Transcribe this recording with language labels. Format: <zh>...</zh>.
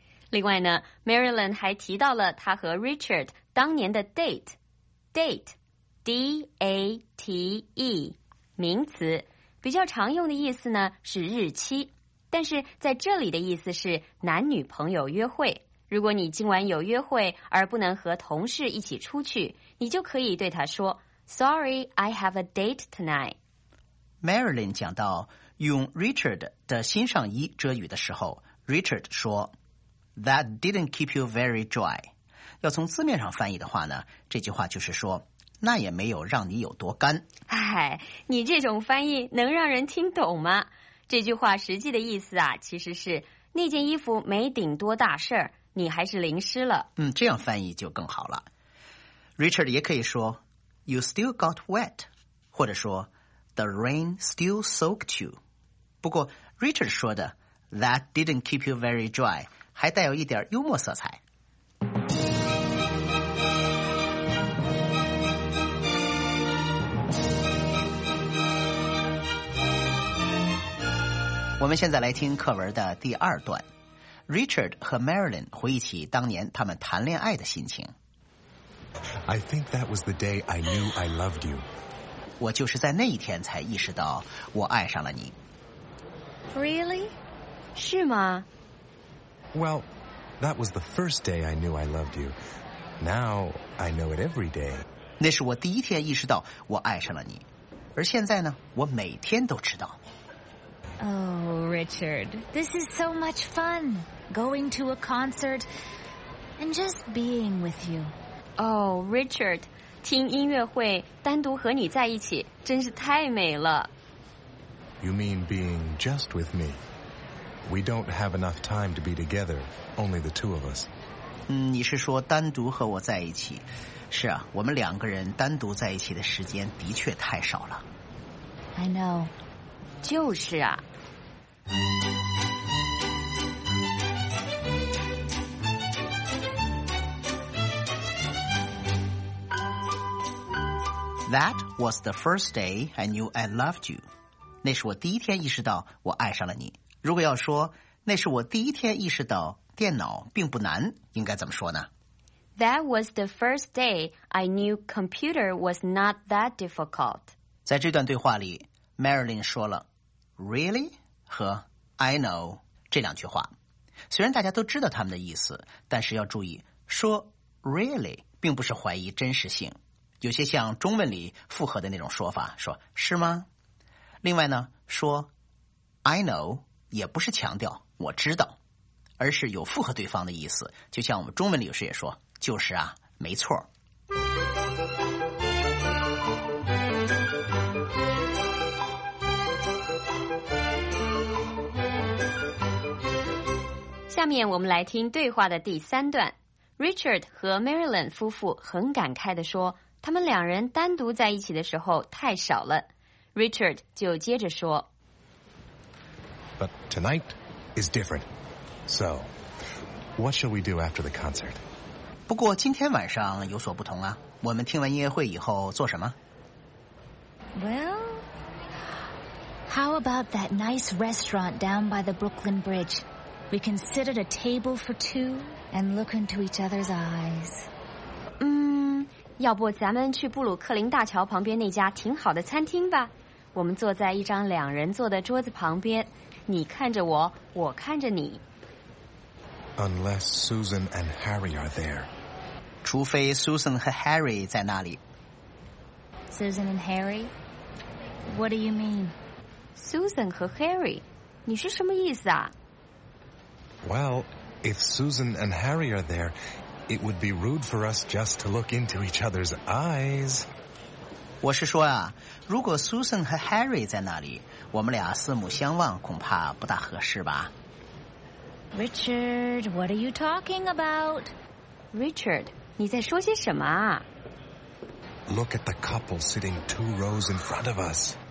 <zh>另外呢 ,Marilyn 还提到了他和 Richard 当年的 date,date,D-A-T-E, 名词比较常用的意思呢是日期但是在这里的意思是男女朋友约会。如果你今晚有约会而不能和同事一起出去你就可以对他说 ,</zh> <en>Sorry, I have a date tonight.</en> <zh>Marilyn 讲到用 Richard 的新上衣遮雨的时候 ,Richard 说 ,</zh> <en>That didn't keep you very dry.</en> <zh>要从字面上翻译的话呢这句话就是说那也没有让你有多干。哎你这种翻译能让人听懂吗这句话实际的意思啊其实是那件衣服没顶多大事儿你还是淋湿了。嗯这样翻译就更好了。 Richard 也可以说 ,</zh> <en>You still got wet,</en> <zh>或者说</zh> <en>The rain still soaked you.</en> <zh>不过 Richard 说的</zh> <en>That didn't keep you very dry</en> <zh>还带有一点幽默色彩。我们现在来听课文的第二段。Richard 和 Marilyn 回忆起当年他们谈恋爱的心情。</zh> <en>I think that was the day I knew I loved you.</en> <zh>我就是在那一天才意识到我爱上了你。</zh> <en>Really?</en> <zh>是吗</zh> <en>?Well, that was the first day I knew I loved you. Now, I know it every day.</en> <zh>那是我第一天意识到我爱上了你。而现在呢我每天都知道。</zh> <en>Oh, Richard, this is so much fun. Going to a concert and just being with you. Oh, Richard...</en> <zh>听音乐会单独和你在一起真是太美了。</zh> <en>You mean being just with me? We don't have enough time to be together, only the two of us.</en> <zh>嗯，你是说单独和我在一起。是啊，我们两个人单独在一起的时间的确太少了。</zh> <en>I know.</en> <zh>就是啊。</zh> <en>That was the first day I knew I loved you.</en> <zh>那是我第一天意识到我爱上了你。如果要说那是我第一天意识到电脑并不难，应该怎么说呢</zh> <en>？That was the first day I knew computer was not that difficult.</en> <zh>在这段对话里 ，Marilyn 说了 "Really" 和</zh> <en>"I know"</en> <zh>这两句话。虽然大家都知道他们的意思，但是要注意，说 "Really" 并不是怀疑真实性。有些像中文里附和的那种说法说是吗另外呢说</zh> <en>I know</en> <zh>也不是强调我知道，而是有附和对方的意思，就像我们中文里有时也说，就是啊，没错。下面我们来听对话的第三段。Richard 和 Marilyn 夫妇很感慨地说，他们两人单独在一起的时候太少了。 Richard 就接着说，</zh> <en>But tonight is different. So, what shall we do after the concert?</en> <zh>不过今天晚上有所不同啊，我们听完音乐会以后做什么？</zh> <en>Well, how about that nice restaurant down by the Brooklyn Bridge? We can sit at a table for two and look into each other's eyes.</en> <zh>要不咱们去布鲁克林大桥旁边那家挺好的餐厅吧？我们坐在一张两人坐的桌子旁边，你看着我，我看着你。</zh> <en>Unless Susan and Harry are there.</en> <zh>除非 Susan 和 Harry 在那里。</zh> <en>Susan and Harry? What do you mean?</en> <zh>Susan 和 Harry? 你是什么意思啊？</zh> <en>Well, if Susan and Harry are there, it would be rude for us just to look into each other's eyes.</en> <zh>我是说啊，如果 Susan 和 Harry 在那里，我们俩四目相望恐怕不大合适吧。</zh> <en>Richard, what are you talking about?</en> <zh>Richard, 你在说些什么啊？</zh> <en>Look at the couple sitting two rows in front of us.</en>